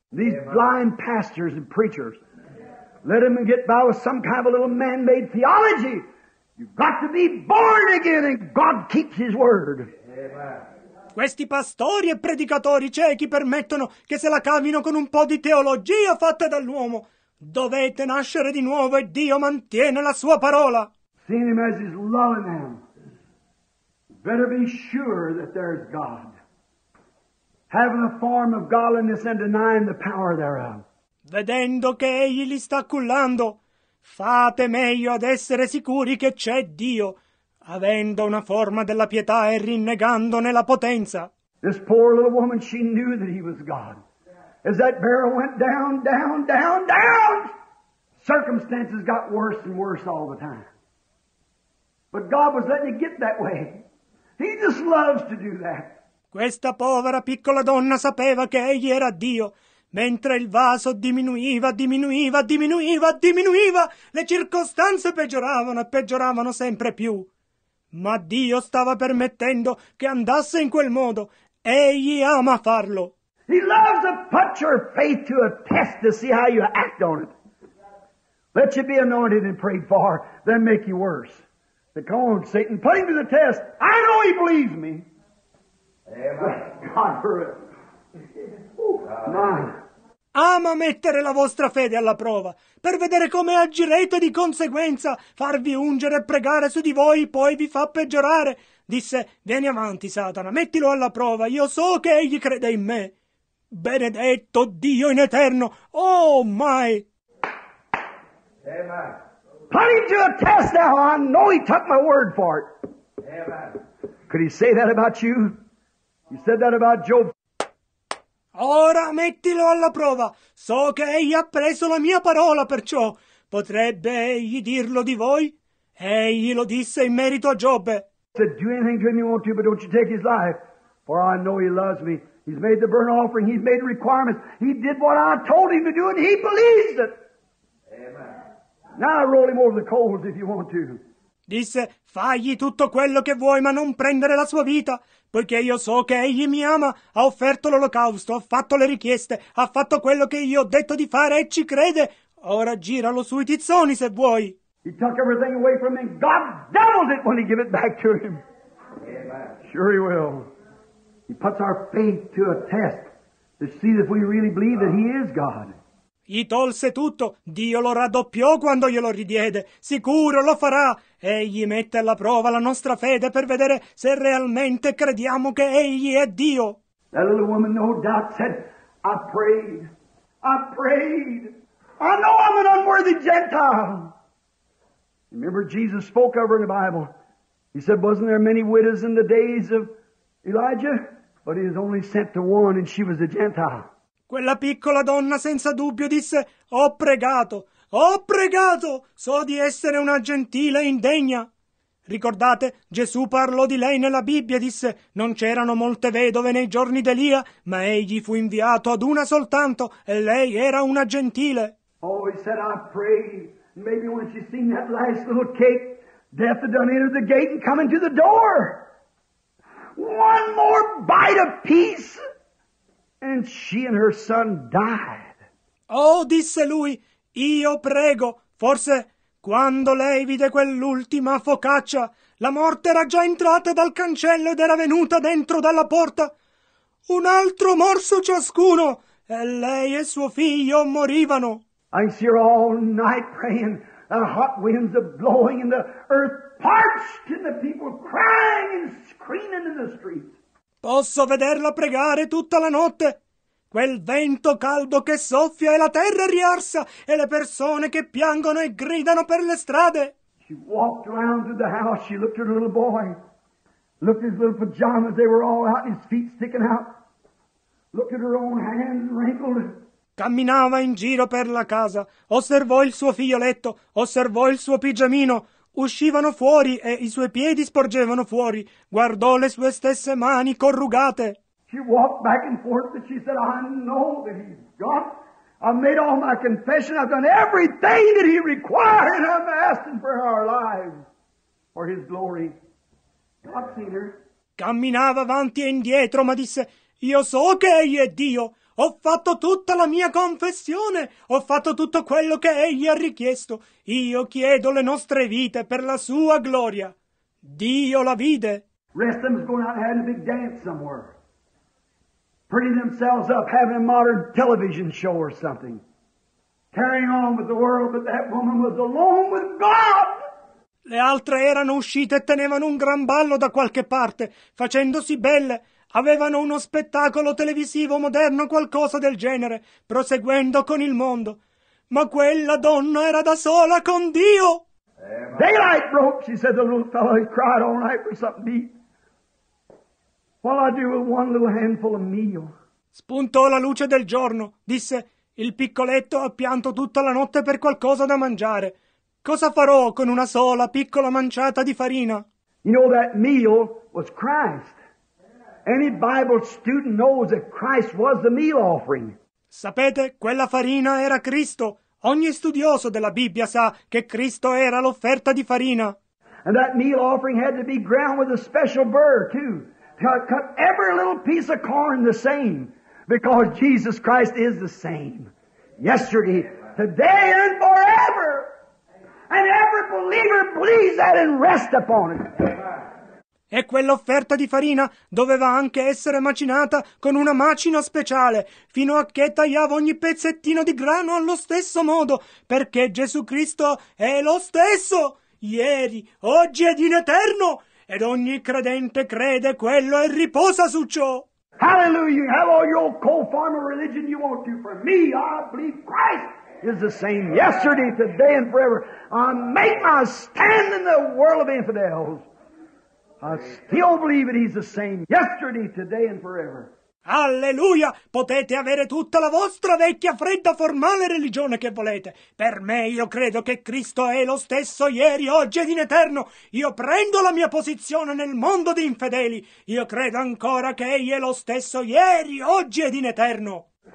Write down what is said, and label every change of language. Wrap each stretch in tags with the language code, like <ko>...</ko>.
<en>These blind pastors and preachers, let them get by with some kind of a little man-made theology. You've got to be born again and God keeps his word.</en> <it>Questi pastori e predicatori ciechi permettono che se la cavino con un po' di teologia fatta dall'uomo. Dovete nascere di nuovo e Dio mantiene la sua parola.</it> <en>Seeing him as he's loving them, better be sure that there's God. Having a form of godliness and denying the power thereof.</en> <it>Vedendo che egli li sta cullando, fate meglio ad essere sicuri che c'è Dio, avendo una forma della pietà e rinnegandone la potenza.</it> <en>This poor little woman, she knew that he was God. As that barrel went down, down, down, down, circumstances got worse and worse all the time. But God was letting it get that way. He just loves to do that.</en> <it>Questa povera piccola donna sapeva che egli era Dio. Mentre il vaso diminuiva, diminuiva, diminuiva, diminuiva, le circostanze peggioravano e peggioravano sempre più. Ma Dio stava permettendo che andasse in quel modo. Egli ama farlo.</it> <en>He loves to put your faith to a test to see how you act on it. Let you be anointed and prayed for, then make you worse. But come on, Satan, put him to the test. I know he believes me. Amen. God for it.</en> <it>Ama mettere la vostra fede alla prova per vedere come agirete di conseguenza. Farvi ungere e pregare su di voi poi vi fa peggiorare. Disse: vieni avanti Satana, mettilo alla prova, io so che egli crede in me. Benedetto Dio in eterno.</it> <en>Oh my. Amen. Put him to a test now. I know he took my word for it. Amen. Could he say that about you? He said that about Job.</en> <it>Ora mettilo alla prova. So che egli ha preso la mia parola, perciò potrebbe egli dirlo di voi? Egli lo disse in merito a Giobbe.</it> <en>Said, do anything to him you want to, but don't you take his life, for I know he loves me. He's made the burnt offering, he's made requirements. He did what I told him to do, and he believes it. Amen. Now roll him over the coals if you want to.</en> <it>Disse, fagli tutto quello che vuoi, ma non prendere la sua vita. Poiché io so che egli mi ama, ha offerto l'olocausto, ha fatto le richieste, ha fatto quello che io ho detto di fare e ci crede. Ora giralo sui tizzoni se vuoi.</it> <en>He took everything away from him. God doubles it when he gives it back to him. Amen. Sure he will. He puts our faith to a test to see if we really believe that he is God.</en> <it>Gli tolse tutto. Dio lo raddoppiò quando glielo ridiede. Sicuro lo farà. Egli mette alla prova la nostra fede per vedere se realmente crediamo che egli è Dio.</it> <en>That little woman, no doubt, said, I prayed. I prayed. I know I'm an unworthy Gentile. Remember, Jesus spoke of her in the Bible. He said, wasn't there many widows in the days of Elijah? But he has only sent to one, and she was a Gentile.</en> <it>Quella piccola donna senza dubbio disse, ho pregato, so di essere una gentile indegna. Ricordate, Gesù parlò di lei nella Bibbia, disse, non c'erano molte vedove nei giorni d'Elia, ma egli fu inviato ad una soltanto, e lei era una gentile.</it> <en>Oh, he said, I prayed, maybe when she seen that last little cake, death had done entered the gate and come into the door. One more bite of peace. And she and her son died.</en> <it>Oh, disse lui, io prego. Forse quando lei vide quell'ultima focaccia, la morte era già entrata dal cancello ed era venuta dentro dalla porta. Un altro morso ciascuno, e lei e suo figlio morivano.</it> <en>I see her all night praying, the hot winds are blowing, and the earth parched, and the people crying and screaming in the streets.</en> <it>Posso vederla pregare tutta la notte. Quel vento caldo che soffia e la terra riarsa e le persone che piangono e gridano per le strade.</it> <en>She walked around to the house. She looked at her little boy. Looked at his little pajamas. They were all out, his feet sticking out. Looked at her own hands wrinkled.</en> <it>Camminava in giro per la casa. Osservò il suo figlioletto. Osservò il suo pigiamino. Uscivano fuori e i suoi piedi sporgevano fuori. Guardò le sue stesse mani corrugate.</it> <en>She walked back and forth and she said, I know that he's God. I've made all my confession. I've done everything that he required. I'm asking for our lives, for his glory. God seen her.</en> <it>Camminava avanti e indietro, ma disse, io so che egli è Dio. Ho fatto tutta la mia confessione. Ho fatto tutto quello che egli ha richiesto. Io chiedo le nostre vite per la sua gloria. Dio la vide.</it> <en>Rest them is going out and having a big dance somewhere. Putting themselves up, having a modern television show or something. Carrying on with the world, but that woman was alone with God.</en> <it>Le altre erano uscite e tenevano un gran ballo da qualche parte, facendosi belle. Avevano uno spettacolo televisivo moderno, qualcosa del genere, proseguendo con il mondo. Ma quella donna era da sola con Dio.</it> <en>Daylight broke, she said, the little fellow. He cried all night for something to eat. What'll I do with one little handful of meal?</en> <it>Spuntò la luce del giorno, disse, il piccoletto ha pianto tutta la notte per qualcosa da mangiare. Cosa farò con una sola piccola manciata di farina?</it> <en>You know, that meal was Christ. Any Bible student knows that Christ was the meal offering.</en> <it>Sapete, quella farina era Cristo. Ogni studioso della Bibbia sa che Cristo era l'offerta di farina.</it> <en>And that meal offering had to be ground with a special burr too. Cut every little piece of corn the same, because Jesus Christ is the same. Yesterday, today, and forever. And every believer believes that and rest upon it.</en> <it>E quell'offerta di farina doveva anche essere macinata con una macina speciale, fino a che tagliava ogni pezzettino di grano allo stesso modo, perché Gesù Cristo è lo stesso, ieri, oggi ed in eterno, ed ogni credente crede quello e riposa su ciò.</it> <en>Hallelujah, you have all your cold form of religion you want to. For me, I believe Christ is the same yesterday, today and forever. I make my stand in the world of infidels. I still believe that he's the same yesterday, today and forever.</en> <it>Alleluia! Potete avere tutta la vostra vecchia, fredda, formale religione che volete. Per me io credo che Cristo è lo stesso ieri, oggi ed in eterno. Io prendo la mia posizione nel mondo di infedeli. Io credo ancora che egli è lo stesso ieri, oggi ed in eterno.</it>